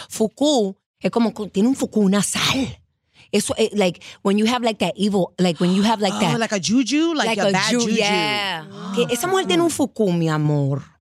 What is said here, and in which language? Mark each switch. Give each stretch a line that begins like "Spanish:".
Spanish: Fuku, es como, tiene un fuku, una sal.
English: It's like, when you have like that evil, like when you have like that. Oh, like a juju? Like a bad juju. Yeah.
Spanish: Esa mujer tiene un fuku, mi amor.